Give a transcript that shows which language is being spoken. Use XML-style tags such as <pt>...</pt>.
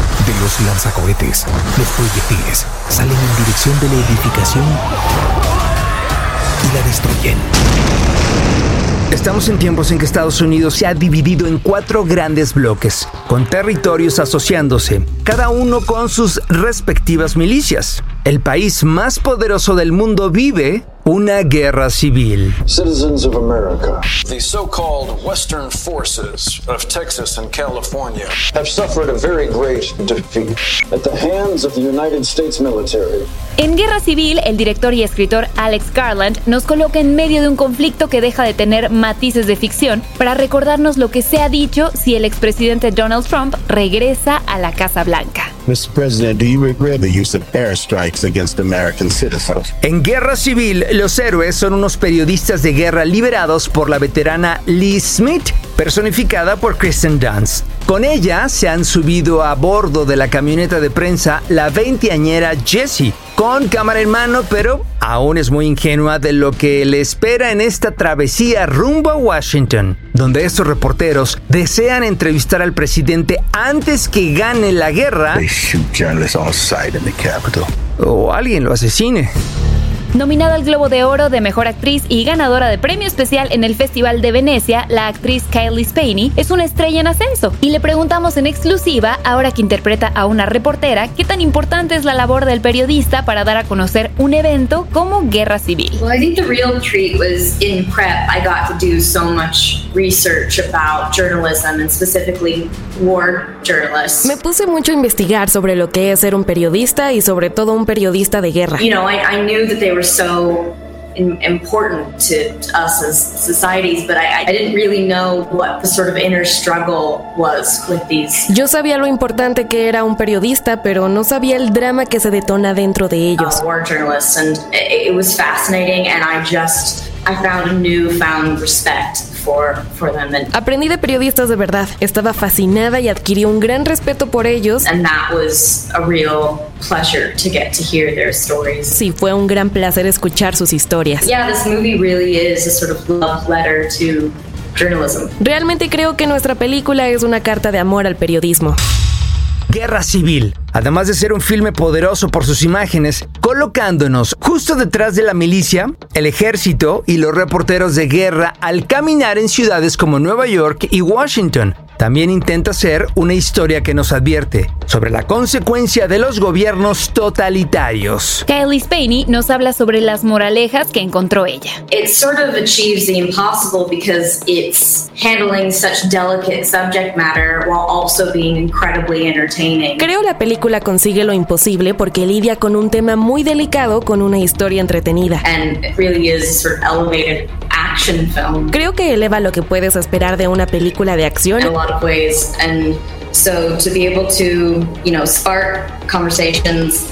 <es>De los lanzacohetes, los proyectiles salen en dirección de la edificación y la destruyen. Estamos en tiempos en que Estados Unidos se ha dividido en cuatro grandes bloques, con territorios asociándose, cada uno con sus respectivas milicias. El país más poderoso del mundo vive una guerra civil.</es> <en>Citizens of America, the so-called Western forces of Texas and California have suffered a very great defeat at the hands of the United States military.</en> <es>En Guerra Civil, el director y escritor Alex Garland nos coloca en medio de un conflicto que deja de tener matices de ficción para recordarnos lo que se ha dicho si el expresidente Donald Trump regresa a la Casa Blanca.</es> <en>Mr. President, do you regret the use of airstrikes against American citizens?</en> <es>En Guerra Civil, los héroes son unos periodistas de guerra liberados por la veterana Lee Smith, personificada por Kirsten Dunst. Con ella se han subido a bordo de la camioneta de prensa la veinteañera Jessie, con cámara en mano, pero aún es muy ingenua de lo que le espera en esta travesía rumbo a Washington, donde estos reporteros desean entrevistar al presidente antes que gane la guerra.</es> <en>They shoot journalists on sight in the Capitol.</en> <es>O alguien lo asesine. Nominada al Globo de Oro de Mejor Actriz y ganadora de premio especial en el Festival de Venecia, la actriz Kylie Spaney es una estrella en ascenso. Y le preguntamos en exclusiva, ahora que interpreta a una reportera, ¿qué tan importante es la labor del periodista para dar a conocer un evento como Guerra Civil?</es> <en>Well, I think the real treat was in prep. I got to do so much research about journalism and specifically war journalists.</en> <es>Me puse mucho a investigar sobre lo que es ser un periodista y sobre todo un periodista de guerra.</es> <en>You know, I knew that they were so important to us as societies, but I didn't really know what the sort of inner struggle was with these.</en> <es>Yo sabía lo importante que era un periodista, pero no sabía el drama que se detona dentro de ellos.</es> <en>War journalists, and it was fascinating, and I found a newfound respect.</en> <es>Aprendí de periodistas de verdad. Estaba fascinada y adquirí un gran respeto por ellos.</es> <en>And that was a real pleasure to get to hear their stories.</en> <es>Sí, fue un gran placer escuchar sus historias.</es> <en>Yeah, this movie really is a sort of love letter to journalism.</en> <es>Realmente creo que nuestra película es una carta de amor al periodismo. Guerra Civil, además de ser un filme poderoso por sus imágenes, colocándonos justo detrás de la milicia, el ejército y los reporteros de guerra al caminar en ciudades como Nueva York y Washington, también intenta ser una historia que nos advierte sobre la consecuencia de los gobiernos totalitarios. Kylie Spaney nos habla sobre las moralejas que encontró ella.</es> <en>It sort of achieves the impossible because it's handling such delicate subject matter while also being incredibly entertaining.</en> <es>Creo la película consigue lo imposible porque lidia con un tema muy delicado con una historia entretenida.</es> <en>And it really is sort of elevated.</en> <es>Creo que eleva lo que puedes esperar de una película de acción.</es> <en>In a lot of ways, and so to be able to, you know, spark conversations.</en>